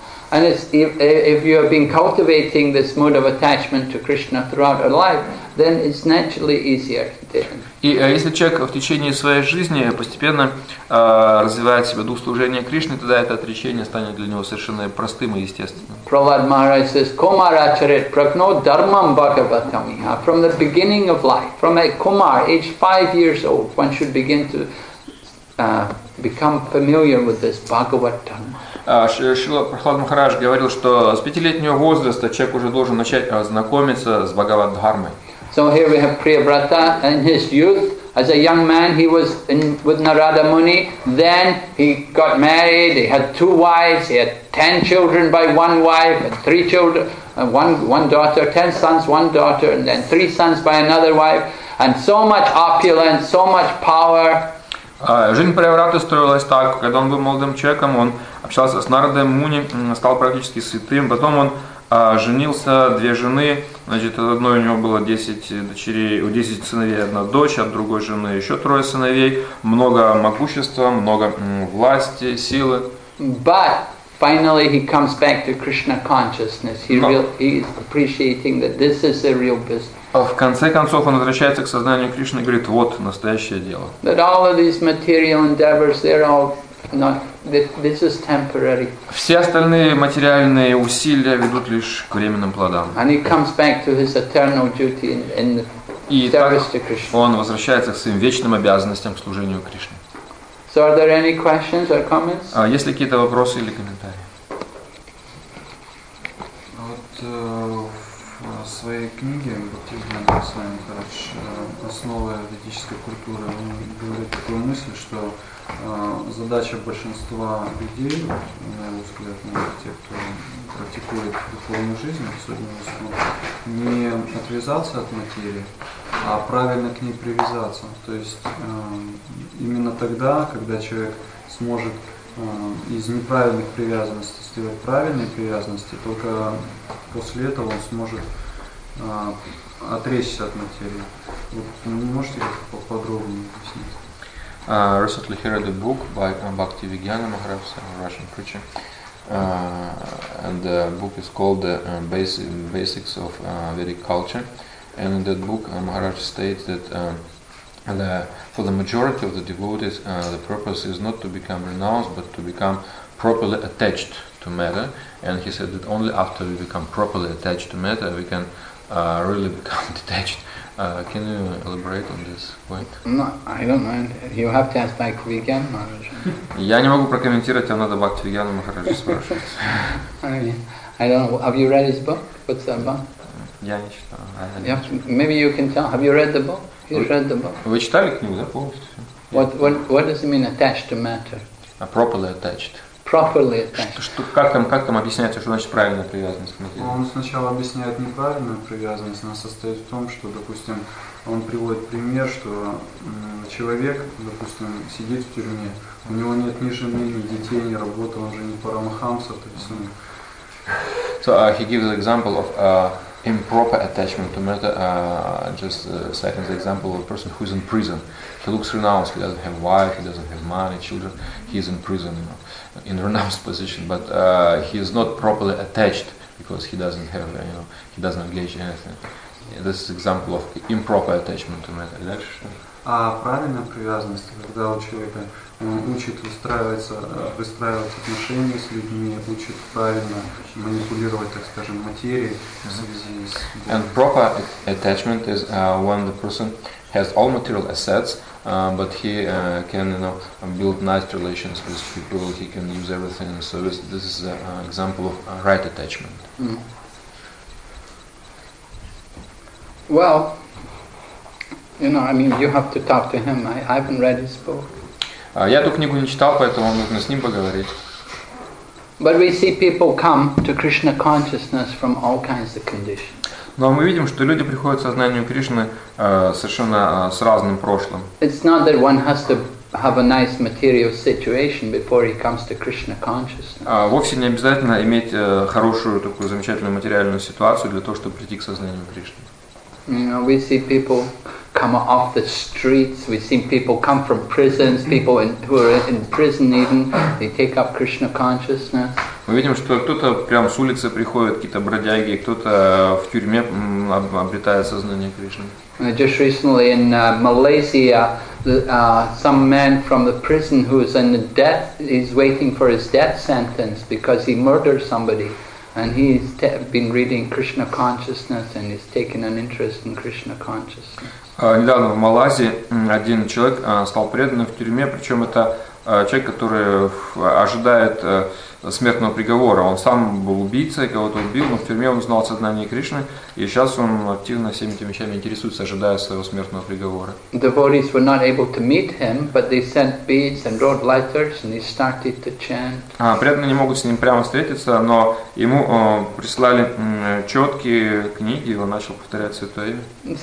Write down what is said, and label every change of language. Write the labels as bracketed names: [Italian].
[English] And if you have been cultivating this mode of attachment to Krishna throughout our life, then it's naturally easier. [Russian] И если человек в течение своей жизни постепенно развивает в себе дух служения Кришне, тогда это отречение станет для него совершенно простым и естественным. [English] Prahlad Maharaj says, [Sanskrit] Kumar acharit prakno dharmam bhagavatam. [English] From the beginning of life, from a Kumar, age 5 years old, one should begin to become familiar with this Bhagavatam. [Russian] Шрила Прабхупада Махарадж говорил, что с 5-летнего возраста человек уже должен начать знакомиться с Бхагавад-дхармой. [English] So here we have Priyavrata in his youth. As a young man, he was with Narada Muni. Then he got married. He had 2 wives. He had 10 children by 1 wife, and 3 children, one daughter, 10 sons, 1 daughter, and then 3 sons by another wife. And so much opulence, so much power. [Russian] Жизнь Приаврата строилась так, когда он был молодым человеком, он общался с Нарадой Муни, стал практически святым, потом он женился, 2 жены, значит, от одной у него было 10 дочерей, 10 сыновей, 1 дочь, от другой жены еще 3 сыновей, много могущества, много власти, силы. [English] But finally he comes back to Krishna consciousness. He is appreciating that this is a real business. [Russian] В конце концов он возвращается к сознанию Кришны и говорит, вот настоящее дело. [English] That all of these material endeavors, they're all This is temporary. [Russian] Все остальные материальные усилия ведут лишь к временным плодам. [English] And he comes back to his eternal duty in the service to Krishna. [Russian] Он возвращается к своим вечным обязанностям к служению Кришне. [English] So are there any questions or comments? [Russian] А есть ли какие-то вопросы или комментарии? Вот в своей книге Бхактивинода Госвами Махарадж «Основы ведической культуры» он говорит такую мысль, что задача большинства людей, на его взгляд, наверное, тех, кто практикует духовную жизнь, особенно основ, не отвязаться от материи, а правильно к ней привязаться. То есть именно тогда, когда человек сможет из неправильных привязанностей сделать правильные привязанности, только после этого он сможет отречься от материи. Вот, можете как-то поподробнее объяснить? [English] Recently heard a book by Bhaktivedanta Maharaj, a Russian preacher, and the book is called "The Basics of Vedic Culture." And in that book, Maharaj states that for the majority of the devotees, the purpose is not to become renounced, but to become properly attached to matter. And he said that only after we become properly attached to matter, we can really become detached. Can you elaborate on this point? No, I don't mind. You have to ask Bhaktivedanta Maharaj. [Russian] Я не могу прокомментировать, а надо Бхактивиджана Махараджа спрашивать. [English] I don't know. Have you read his book? What's that about? [Russian] Я не читал. [English] Maybe you can tell. Have you read the book? You've read the book. [Russian] Вы читали книгу, да, полностью? [English] What does it mean attached to matter? Properly attached. Properly attached. [Russian] Как там объясняется, что значит правильная привязанность к материи? Он сначала объясняет неправильную привязанность. Она состоит в том, что, допустим, он приводит пример, что человек, допустим, сидит в тюрьме, у него нет ни жены, ни детей, ни работы, он же не парамахамса, то есть он... [English] So he gives an example of improper attachment to matter, just citing the example of a person who is in prison. He looks renounced, he doesn't have wife, he doesn't have money, children, he is in prison, you know. In renounced position, but he is not properly attached because he doesn't have, you know, he doesn't engage anything. Yeah, this is example of improper attachment to matter. [Russian] Дальше. А правильная привязанность, когда у человека он учит выстраивать отношения с людьми, учит правильно манипулировать, так скажем, материей в связи с. [English] And proper attachment is when the person has all material assets. But he can, you know, build nice relations with people. He can use everything in service. This is an example of right attachment. Mm. Well, you know, I mean, you have to talk to him. I haven't read his book. [Russian] Я эту книгу не читал, поэтому нужно с ним поговорить. [English] But we see people come to Krishna consciousness from all kinds of conditions. [Russian] Но мы видим, что люди приходят к сознанию Кришны совершенно с разным прошлым. [English] It's not that one has to have a nice material situation before he comes to Krishna consciousness. [Russian] Вовсе не обязательно иметь хорошую такую замечательную материальную ситуацию для того, чтобы прийти к сознанию Кришны. [English] You know, we see people come off the streets. We see people come from prisons. People who are in prison even they take up Krishna consciousness. [Russian] Мы видим, что кто-то прям с улицы приходит, какие-то бродяги, кто-то в тюрьме обретает сознание Кришны. [English] Just recently in Malaysia, some man from the prison who is in the death is waiting for his death sentence because he murdered somebody, and he's been reading Krishna consciousness and he's taken an interest in Krishna consciousness. [Russian] Недавно в Малайзии один человек стал преданным в тюрьме, причем это человек, который ожидает смертного приговора. Он сам был убийцей, кого-то убил, но в тюрьме он узнал сознание Кришны, и сейчас он активно всеми этими вещами интересуется, ожидая своего смертного приговора. [English] Devotees were not able to meet him, but they sent beads and wrote letters, and he started to chant. [Russian] Преданные не могут с ним прямо встретиться, но ему прислали четкие книги, и он начал повторять святое имя.